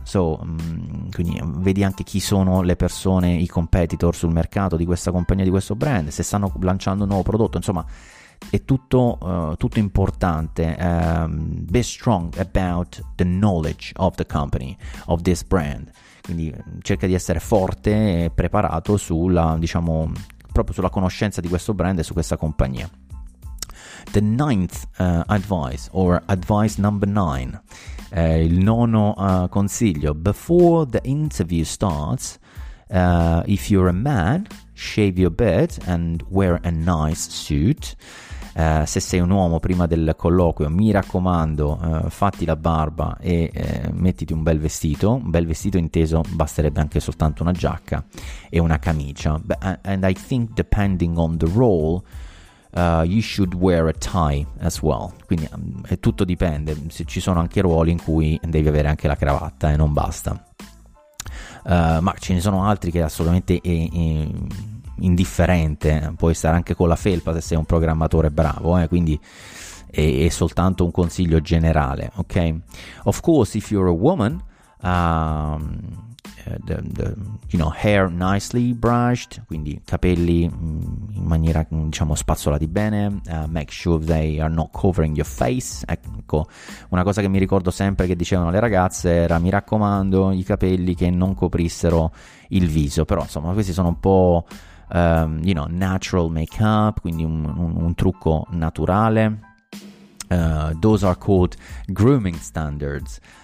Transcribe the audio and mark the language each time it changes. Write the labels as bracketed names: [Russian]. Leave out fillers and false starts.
[Italian] So, quindi vedi anche chi sono le persone, i competitor sul mercato di questa compagnia, di questo brand, se stanno lanciando un nuovo prodotto, insomma, è tutto, tutto importante. [English] Be strong about the knowledge of the company, of this brand. [Italian] Quindi cerca di essere forte e preparato sulla, diciamo, proprio sulla conoscenza di questo brand e su questa compagnia. [English] The ninth advice, or advice number nine, [Italian] il nono consiglio, [English] before the interview starts, if you're a man, shave your beard and wear a nice suit. [Italian] Se sei un uomo, prima del colloquio, mi raccomando, fatti la barba e mettiti un bel vestito. Un bel vestito inteso, basterebbe anche soltanto una giacca e una camicia. [English] And I think depending on the role, you should wear a tie as well. [Italian] Quindi tutto dipende, se ci sono anche ruoli in cui devi avere anche la cravatta e non basta, ma ce ne sono altri che assolutamente è indifferente, puoi stare anche con la felpa se sei un programmatore bravo, quindi è soltanto un consiglio generale, ok? [English] Of course, if you're a woman, you know, hair nicely brushed, [Italian] quindi capelli in maniera, diciamo, spazzolati bene, [English] make sure they are not covering your face. [Italian] Ecco, una cosa che mi ricordo sempre che dicevano le ragazze era: mi raccomando, i capelli che non coprissero il viso. Però insomma, questi sono un po', [English] you know, natural makeup, [Italian] quindi un trucco naturale. [English] Those are called grooming standards.